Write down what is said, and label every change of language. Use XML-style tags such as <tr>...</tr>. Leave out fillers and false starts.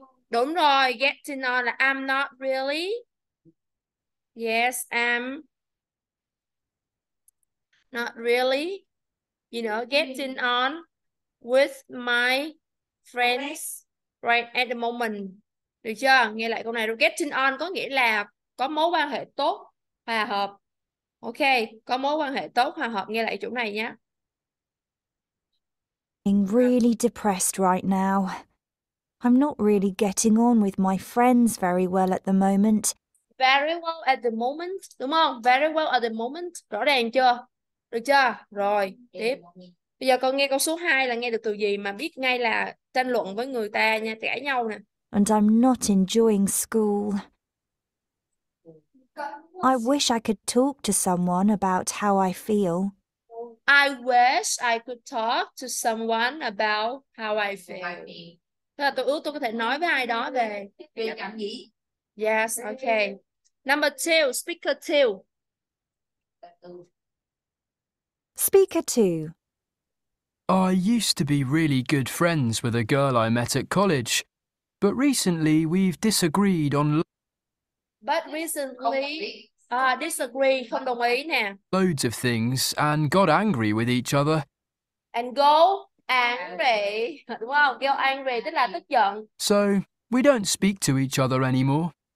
<en>Đúng rồi, getting on. I'm not really. Yes, I'm not really. You know, getting on with my friends right at the moment.</en> <vi>Được chưa? Nghe lại câu này. Getting on có nghĩa là có mối quan hệ tốt, hòa hợp. Ok, có mối quan hệ tốt, hòa hợp. Nghe lại chỗ này nhé.</vi> <en>I'm really depressed right now. I'm not really getting on with my friends very well at the moment. Very well at the moment. Đúng không? Very well at the moment. Rõ ràng chưa? Được chưa? Rồi, tiếp.</en> <vi>Bây giờ con nghe câu số 2 là nghe được từ gì mà biết ngay là tranh luận với người ta nha, cãi nhau nè.</vi> <en>And I'm not enjoying school. I wish I could talk to someone about how I feel. I wish I could talk to someone about how I feel.</en> <vi>Thế là tôi ước tôi có thể nói với ai đó về cảm nghĩ.</vi> <en>Yes, okay. Number 2, speaker 2. Speaker 2. I used to be really good friends with a girl I met at college, but recently we've disagreed on</en> <vi>But recently, disagree, không đồng ý nè.</vi> <en>Loads of things and got angry with each other.</en> <vi>And go angry, đúng không? Go angry tức là tức giận.</vi> <en>So, we don't speak to each other anymore.</en>